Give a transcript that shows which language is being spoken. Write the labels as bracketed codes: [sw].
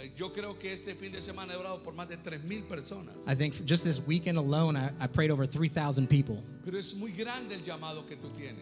[es] Yo creo que este fin de semana he orado por más de 3,000 personas. [en] I think just this weekend alone, I prayed over 3,000 people. [es] Pero es muy grande el llamado que tú tienes.